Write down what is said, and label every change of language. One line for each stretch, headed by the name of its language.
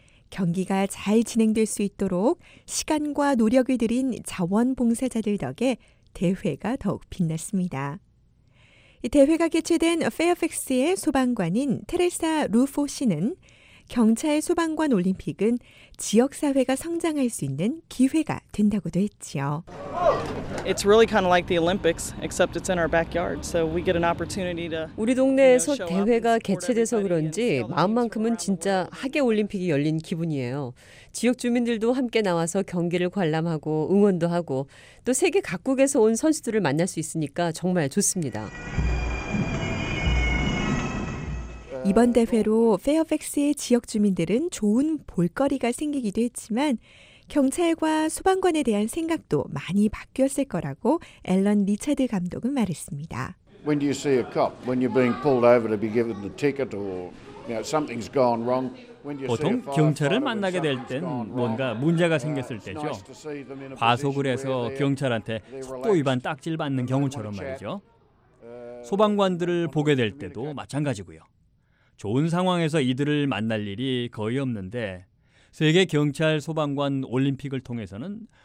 Korean: 경기가 잘 진행될 수 있도록 시간과 노력을 들인 자원봉사자들 덕에 대회가 더욱 빛났습니다. 이 대회가 개최된 페어팩스의 소방관인 테레사 루포 씨는 경찰 소방관 올림픽은 지역사회가 성장할 수 있는 기회가 된다고도 했지요.
English: It's really kind of like the Olympics, except it's in our backyard. So we get an opportunity to.
Korean: 우리 동네에서 대회가 개최돼서 그런지 마음만큼은 진짜 하계 올림픽이 열린 기분이에요. 지역 주민들도 함께 나와서 경기를 관람하고 응원도 하고 또 세계 각국에서 온 선수들을 만날 수 있으니까 정말 좋습니다. 이번 대회로 페어팩스의 지역 주민들은 좋은 볼거리가 생기기도 했지만 경찰과 소방관에 대한 생각도 많이 바뀌었을 거라고 앨런 리차드 감독은 말했습니다.
English: When do you see a cop? When you're being pulled over to be given the ticket or something's gone wrong?
Korean: 보통 경찰을 만나게 될 땐 뭔가 문제가 생겼을 때죠. 과속을 해서 경찰한테 속도 위반 딱지를 받는 경우처럼 말이죠. 소방관들을 보게 될 때도 마찬가지고요. 좋은 상황에서 이들을 만날 일이 거의 없는데 세계 경찰 소방관 올림픽을 통해서는